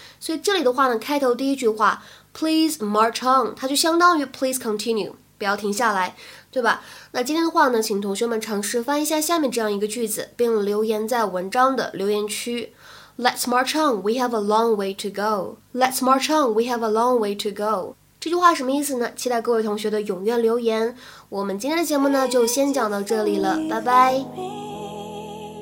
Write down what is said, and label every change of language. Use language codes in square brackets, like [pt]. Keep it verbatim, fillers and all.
[zh] 所以这里的话呢，开头第一句话 [en] Please march on [zh] 它就相当于 [en] Please continue， [zh] 不要停下来，对吧？那今天的话呢，请同学们尝试翻译一下下面这样一个句子，并留言在文章的留言区。 [en] Let's march on, we have a long way to go. Let's march on, we have a long way to go. [zh] 这句话什么意思呢？期待各位同学的踊跃留言。我们今天的节目呢，就先讲到这里了，拜拜。